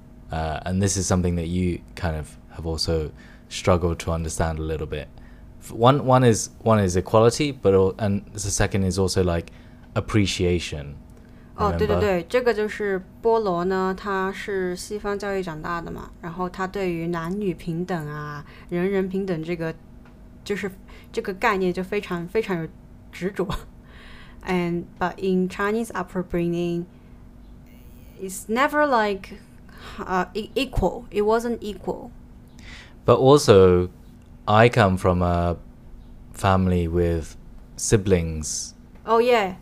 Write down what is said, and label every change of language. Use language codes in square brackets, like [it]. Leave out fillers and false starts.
[en] And this is something that you kind of have also struggled to understand a little bit. One is equality, but the second is also like appreciation. [zh] 哦，对对对，这个就是波罗呢，他是西方教育长大的嘛，然后他对于男女平等啊，人人平等这个，就是这个概念就非常非常有执着。 [en] And but in Chinese upbringing, it's never like equal. It wasn't equal. But also, I come from a family with siblings. Oh yeah.